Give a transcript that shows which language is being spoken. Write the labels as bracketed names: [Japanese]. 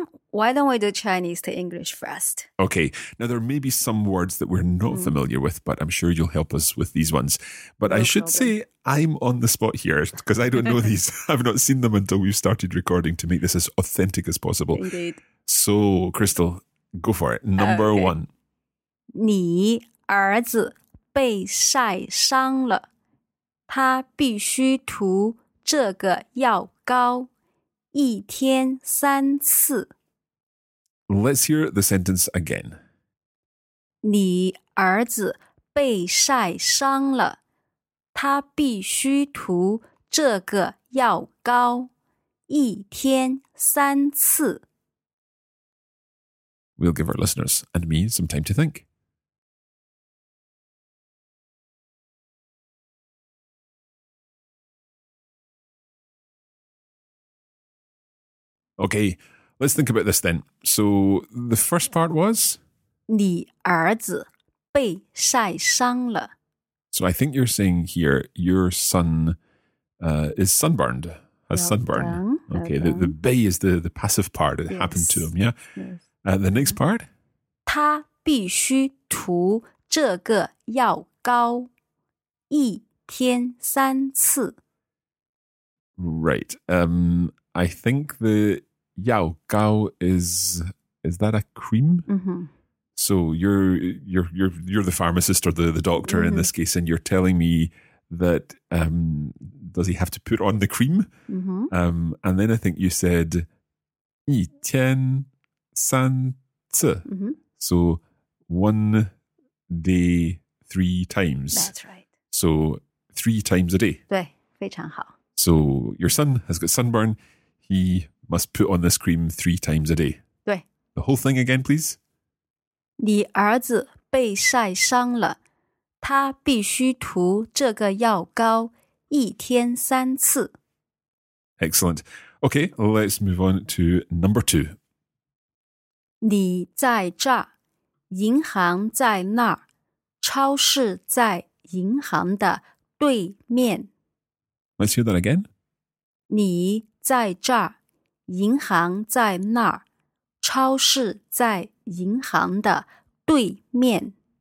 [English] Why don't we do Chinese to English first? Okay. Now, there may be some words that we're not familiar with, but I'm sure you'll help us with these ones. But no, I should say I'm on the spot here because I don't know these. I've not seen them until we've started recording to make this as authentic as possible. Indeed. So, Crystal, go for it. Number one. [Chinese] 你儿子被晒伤了，他必须涂这个药膏，一天三次。 [English] Let's hear the sentence again. [Chinese] 你儿子被晒伤了，他必须涂这个药膏，一天三次。 [English] We'll give our listeners and me some time to think. Okay, let's think about this then. So the first part was? [Chinese] 你儿子被晒伤了。 [English] So I think you're saying here, your son is sunburned, has sunburned. Okay, the bay is the passive part. It happened to him, yeah? Yes. The next part? [Chinese] 他必须涂这个药膏一天三次。 [English] Right. I think the Yao Gao is that a cream? Mm-hmm. So you're the pharmacist or the doctor mm-hmm. in this case, and you're telling me that does he have to put on the cream? Mm-hmm. And then I think you said [Chinese] 一天三次. [English] Mm-hmm. So 1 day 3 times. That's right. So 3 times a day. [Chinese] 对，非常好. [English] So your son has got sunburn. He must put on this cream 3 times a day. [Chinese] 对。 [English] The whole thing again, please. [Chinese] 你儿子被晒伤了，他必须涂这个药膏一天三次。 [English] Excellent. Okay, let's move on to number two. [Chinese] 你在这儿，银行在那儿，超市在银行的对面。 [English] Let's hear that again. [Chinese] 你在这儿。银行在那儿，超市在银行的对面。